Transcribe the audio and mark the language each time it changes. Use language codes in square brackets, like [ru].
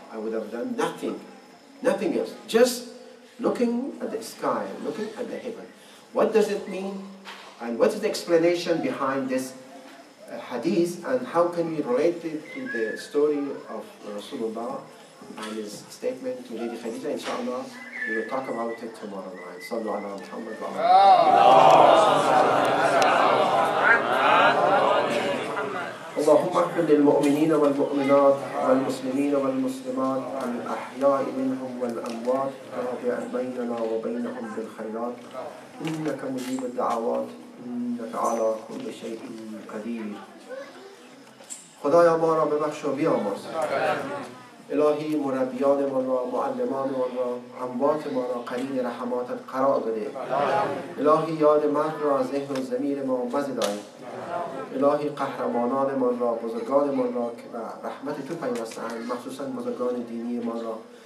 [en] I would have done nothing, nothing else. Just looking at the sky, looking at the heaven. What does it mean? And what is the explanation behind this hadith? And how can we relate it to the story of Rasulullah and his statement to Lady Khadija? Inshallah, we will talk about it tomorrow night. Sallallahu alaihi wasallam. [ar] Allahumma اللهم اغفر للمؤمنين والمؤمنات والمسلمين والمسلمات الأحياء منهم والأموات رافعا بيننا وبينهم بالخيرات إنك مجيب الدعوات إنك على كل شيء قدير. [fa] خدایا ما را ببخش و بیامرز. الهی مربیان ما را، معلمان ما را، اموات ما را قرین رحماتت قرار بده. الهی یاد مرد را از ذهن و ضمیر ما مزدای. الهی قهرمانان ما را، بزرگان ما را که به رحمت تو پیوستند، مخصوصا بزرگان دینی ما را،